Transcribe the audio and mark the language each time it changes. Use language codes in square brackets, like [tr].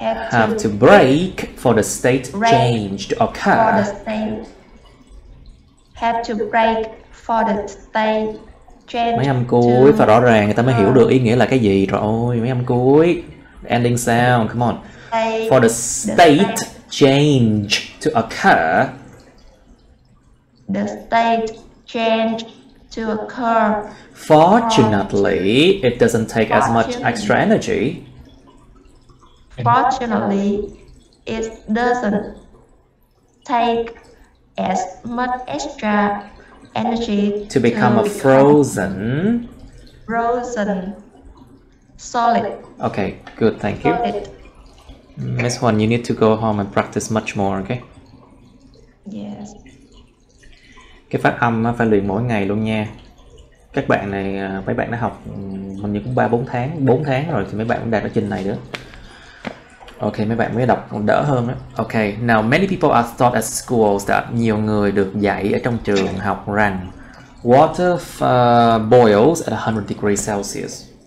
[en] have to break for the state change to occur. For the state have to break for the state change. [vi] Mấy âm cuối và rõ ràng người ta mới hiểu được ý nghĩa là cái gì rồi. Mấy âm cuối [en] ending sound, come on. For the state change to occur. The state change to occur. Fortunately, it doesn't take as much extra energy. Fortunately, it doesn't take as much extra energy to become a frozen. Frozen. Solid. Okay, good, thank you. Solid. Miss Huan, you need to go home and practice much more, okay? Yes. [vi] Cái phát âm phải luyện mỗi ngày luôn nha. Các bạn này, mấy bạn đã học mình như cũng 3-4 tháng, 4 tháng rồi thì mấy bạn cũng đạt ở trình này nữa. Okay, mấy bạn mới đọc còn đỡ hơn đó. Okay, [en] now many people are taught at schools that [vi] nhiều người được dạy ở trong trường học rằng [en] water boils at 100 degrees Celsius.